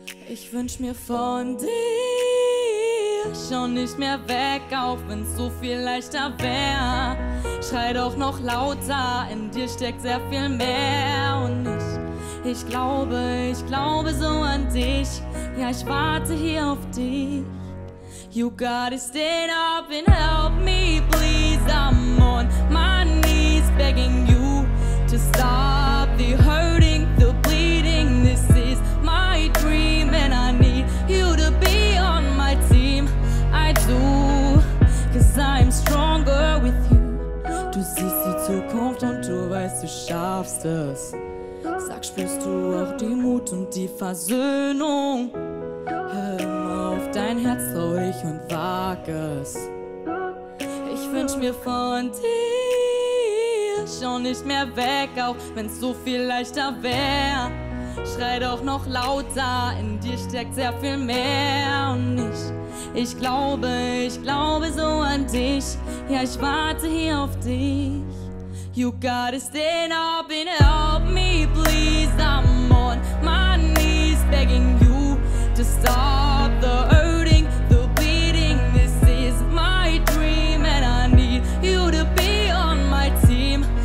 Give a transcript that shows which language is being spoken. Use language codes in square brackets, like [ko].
[de] Ich wünsch mir von dir, schau nicht mehr weg, auch wenn's so viel leichter wär. Schrei doch noch lauter, in dir steckt sehr viel mehr. Und ich glaube so an dich. Ja, ich warte hier auf dich. [en] You gotta stand up and help me, please. I'm on my knees begging you to stop the hurting, the bleeding. This is my dream and I need you to be on my team. I do, cause I'm stronger with you. [de] Du siehst die Zukunft und du weißt, du schaffst es. Sag, spürst du auch die Mut und die Versöhnung? Hör immer auf dein Herz, trau dich und wag es. Ich wünsch mir von dir, schau nicht mehr weg, auch wenn's so viel leichter wär. Schrei doch noch lauter, in dir steckt sehr viel mehr. Und ich glaube so an dich. Ja, ich warte hier auf dich. [en] You gotta stand up and help me, please. I'm on my knees begging you to stop the hurting, the bleeding. This is my dream and I need you to be on my team.